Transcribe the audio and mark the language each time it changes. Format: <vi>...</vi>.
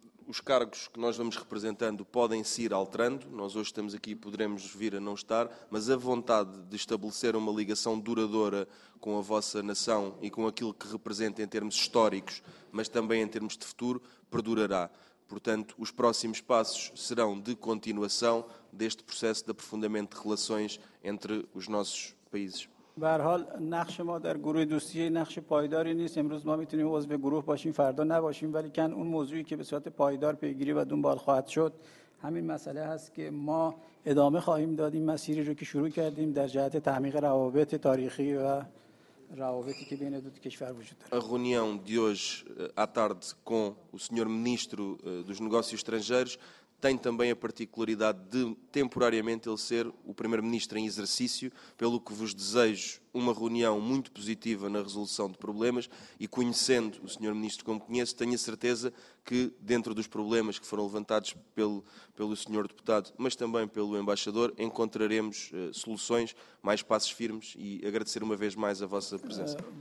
<pt>os cargos que nós vamos representando podem se ir alterando, nós hoje estamos aqui e poderemos vir a não estar, mas a vontade de estabelecer uma ligação duradoura com a vossa nação e com aquilo que representa em termos históricos, mas também em termos de futuro, perdurará. Portanto, os próximos passos serão de continuação deste processo de aprofundamento de relações entre os nossos países.</pt> <fa>برحال نقش ما در گروه دوستی نقش پایداری نیست امروز ما میتونیم عضو گروه باشیم فردا نباشیم ولی کن اون موضوعی که به صورت پایدار پیگیری و دنبال خواهد شد همین مسئله هست که ما ادامه خواهیم دادیم مسیری رو که شروع کردیم در جهت تعمیق روابط تاریخی و روابطی که بین دو کشور وجود داره</fa> <pt>A reunião de hoje à tarde com o senhor ministro dos negócios estrangeiros tem também a particularidade de, temporariamente, ele ser o primeiro-ministro em exercício, pelo que vos desejo uma reunião muito positiva na resolução de problemas e, conhecendo o senhor ministro como conheço, tenho a certeza que, dentro dos problemas que foram levantados pelo senhor deputado, mas também pelo embaixador, encontraremos soluções, mais passos firmes e agradecer uma vez mais a vossa presença.</pt>